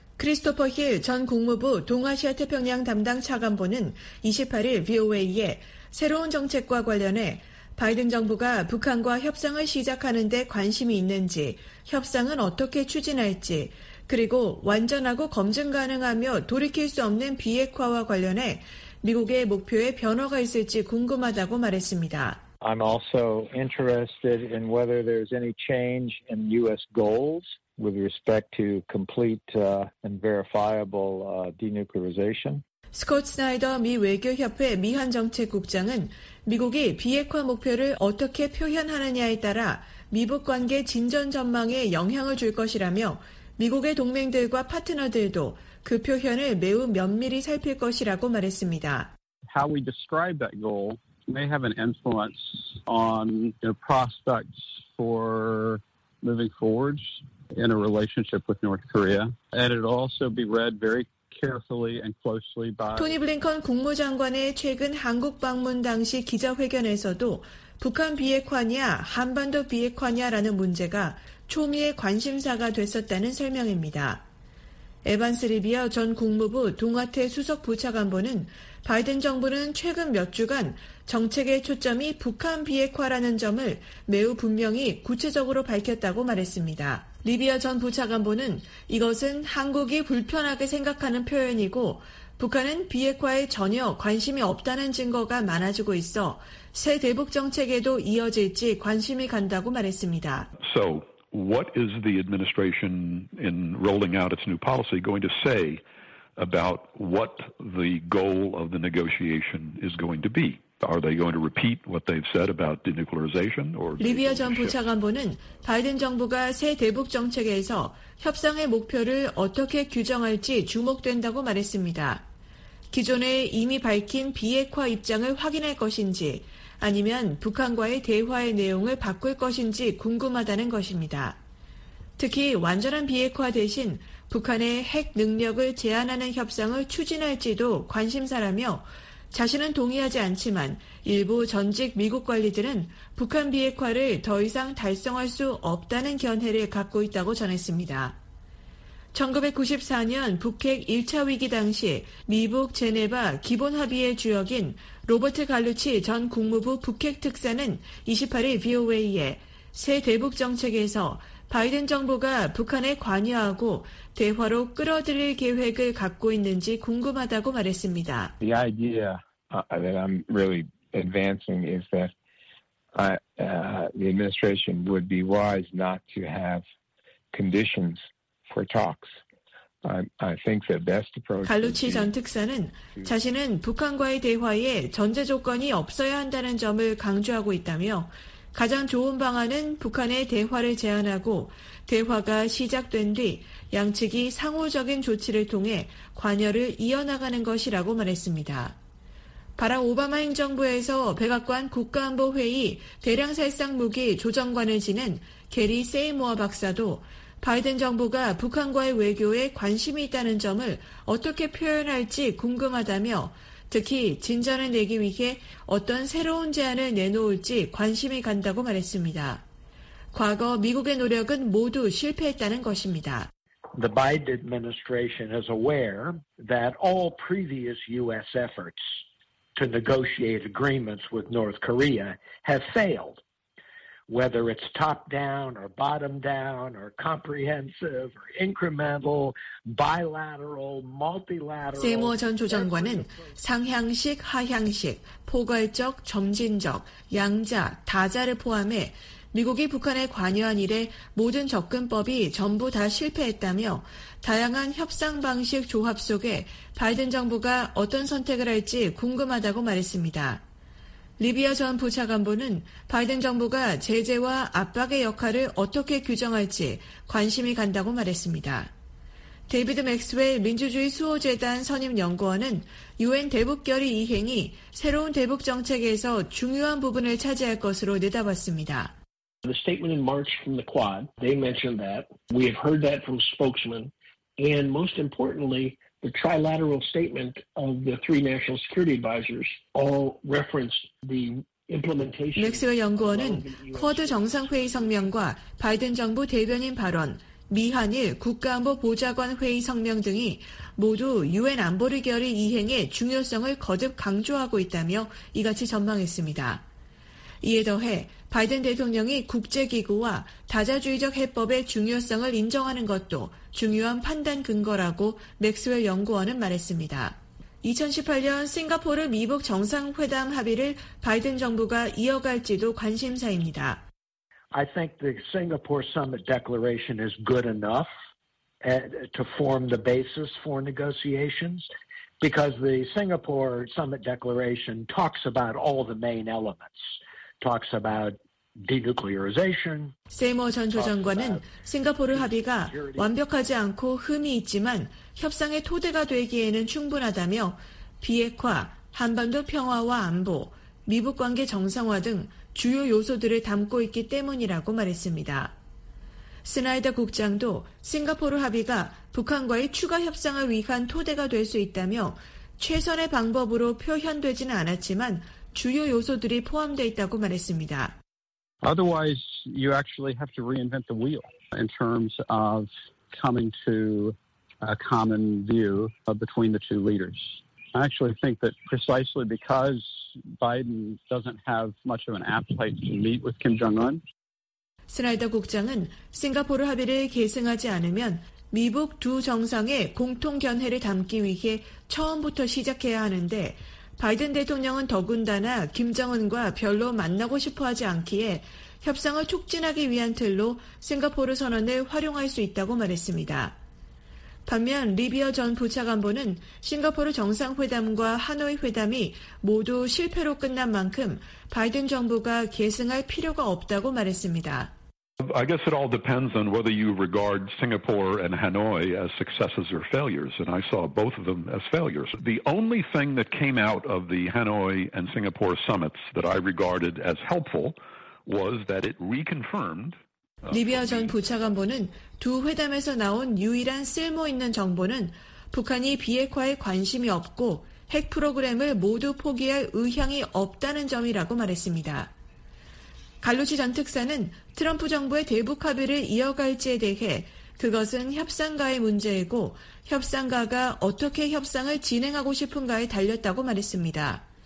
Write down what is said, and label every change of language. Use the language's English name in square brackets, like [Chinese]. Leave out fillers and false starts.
[Korean] 크리스토퍼 힐 전 국무부 동아시아 태평양 담당 차관보는 28일 VOA에 새로운 정책과 관련해 바이든 정부가 북한과 협상을 시작하는 데 관심이 있는지, 협상은 어떻게 추진할지, 그리고 완전하고 검증 가능하며 돌이킬 수 없는 비핵화와 관련해 미국의 목표에 변화가 있을지 궁금하다고 말했습니다. [English] I'm also interested in whether there's any change in U.S. goals with respect to complete and verifiable denuclearization. [Korean] 스콧 스나이더 미 외교협회 미한정책국장은 미국이 비핵화 목표를 어떻게 표현하느냐에 따라 미북 관계 진전 전망에 영향을 줄 것이라며 미국의 동맹들과 파트너들도 그 표현을 매우 면밀히 살필 것이라고 말했습니다. [English] How we describe that goal may have an influence on the prospects for moving forward in a relationship with North Korea. And it'll also be read very carefully and closely by [Korean] 토니 블링컨 국무장관의 최근 한국 방문 당시 기자회견에서도 북한 비핵화냐, 한반도 비핵화냐라는 문제가 초미의 관심사가 됐었다는 설명입니다. 에반스 리비어 전 국무부 동아태 수석 부차관보는 바이든 정부는 최근 몇 주간 정책의 초점이 북한 비핵화라는 점을 매우 분명히 구체적으로 밝혔다고 말했습니다. 리비어 전 부차관보는 이것은 한국이 불편하게 생각하는 표현이고 북한은 비핵화에 전혀 관심이 없다는 증거가 많아지고 있어 새 대북 정책에도 이어질지 관심이 간다고 말했습니다. [English] So. What is the administration in rolling out its new policy going to say about what the goal of the negotiation is going to be? Are they going to repeat what they've said about denuclearization? [Korean] 리비아 전 부차관보는 바이든 정부가 새 대북 정책에서 협상의 목표를 어떻게 규정할지 주목된다고 말했습니다. 기존에 이미 밝힌 비핵화 입장을 확인할 것인지 아니면 북한과의 대화의 내용을 바꿀 것인지 궁금하다는 것입니다. 특히 완전한 비핵화 대신 북한의 핵 능력을 제한하는 협상을 추진할지도 관심사라며 자신은 동의하지 않지만 일부 전직 미국 관리들은 북한 비핵화를 더 이상 달성할 수 없다는 견해를 갖고 있다고 전했습니다. 1994년 북핵 1차 위기 당시 미북 제네바 기본 합의의 주역인 로버트 갈루치 전 국무부 북핵 특사는 28일 VOA에 새 대북 정책에서 바이든 정부가 북한에 관여하고 대화로 끌어들일 계획을 갖고 있는지 궁금하다고 말했습니다. [English] The idea that I'm really advancing is that the administration would be wise not to have conditions for talks. I think the best approach. [Korean] 갈루치 전 특사는 자신은 북한과의 대화에 전제 조건이 없어야 한다는 점을 강조하고 있다며 가장 좋은 방안은 북한의 대화를 제안하고 대화가 시작된 뒤 양측이 상호적인 조치를 통해 관여를 이어나가는 것이라고 말했습니다. 바락 오바마 행정부에서 백악관 국가안보회의 대량살상무기 조정관을 지낸 게리 세이모어 박사도 바이든 정부가 북한과의 외교에 관심이 있다는 점을 어떻게 표현할지 궁금하다며 특히 진전을 내기 위해 어떤 새로운 제안을 내놓을지 관심이 간다고 말했습니다. 과거 미국의 노력은 모두 실패했다는 것입니다. [English] The Biden administration is aware that all previous U.S. efforts to negotiate agreements with North Korea have failed. Whether it's top-down or bottom-down or comprehensive or incremental, bilateral, multilateral. [Korean] 세모 전 조정관은 상향식, 하향식, 포괄적, 점진적, 양자, 다자를 포함해 미국이 북한에 관여한 일에 모든 접근법이 전부 다 실패했다며 다양한 협상 방식 조합 속에 바이든 정부가 어떤 선택을 할지 궁금하다고 말했습니다. 리비아 전 부차관보는 바이든 정부가 제재와 압박의 역할을 어떻게 규정할지 관심이 간다고 말했습니다. 데이비드 맥스웰 민주주의 수호재단 선임연구원은 유엔 대북결의 이행이 새로운 대북정책에서 중요한 부분을 차지할 것으로 내다봤습니다. [English] The statement in March from the Quad, they mentioned that. We have heard that from spokesmen. And most importantly, the trilateral statement of the three national security advisors all referenced the implementation. [Korean] 맥스웰 연구원은 쿼드 정상회의 성명과 바이든 정부 대변인 발언, 미 한일 국가안보 보좌관 회의 성명 등이 모두 유엔 안보리 결의 이행의 중요성을 거듭 강조하고 있다며 이같이 전망했습니다. 이에 더해 바이든 대통령이 국제기구와 다자주의적 해법의 중요성을 인정하는 것도 중요한 판단 근거라고 맥스웰 연구원은 말했습니다. 2018년 싱가포르 미북 정상회담 합의를 바이든 정부가 이어갈지도 관심사입니다. [English] I think the Singapore summit declaration is good enough to form the basis for negotiations because the Singapore summit declaration talks about all the main elements. Talks about denuclearization. [Korean] 세이머 전 조정관은 싱가포르 합의가 완벽하지 않고 흠이 있지만 협상의 토대가 되기에는 충분하다며 비핵화, 한반도 평화와 안보, 미북 관계 정상화 등 주요 요소들을 담고 있기 때문이라고 말했습니다. 스나이더 국장도 싱가포르 합의가 북한과의 추가 협상을 위한 토대가 될 수 있다며 최선의 방법으로 표현되지는 않았지만 주요 요소들이 포함되어 있다고 말했습니다. [English] Otherwise, you actually have to reinvent the wheel in terms of coming to a common view between the two leaders. I actually think that precisely because Biden doesn't have much of an appetite to meet with Kim Jong-un. [Korean] 스나이더 국장은 싱가포르 합의를 계승하지 않으면 미북 두 정상의 공통 견해를 담기 위해 처음부터 시작해야 하는데 바이든 대통령은 더군다나 김정은과 별로 만나고 싶어하지 않기에 협상을 촉진하기 위한 틀로 싱가포르 선언을 활용할 수 있다고 말했습니다. 반면 리비어 전 부차관보는 싱가포르 정상회담과 하노이 회담이 모두 실패로 끝난 만큼 바이든 정부가 계승할 필요가 없다고 말했습니다. [English] I guess it all depends on whether you regard Singapore and Hanoi as successes or failures, and I saw both of them as failures. The only thing that came out of the Hanoi and Singapore summits that I regarded as helpful was that it reconfirmed. [Korean] 리비아 전 부차관보는 두 회담에서 나온 유일한 쓸모있는 정보는 북한이 비핵화에 관심이 없고 핵 프로그램을 모두 포기할 의향이 없다는 점이라고 말했습니다. 갈루치 전 특사는 트럼프 정부의 대북 합의를 이어갈지에 대해 그것은 협상가의 문제이고 협상가가 어떻게 협상을 진행하고 싶은가에 달렸다고 말했습니다.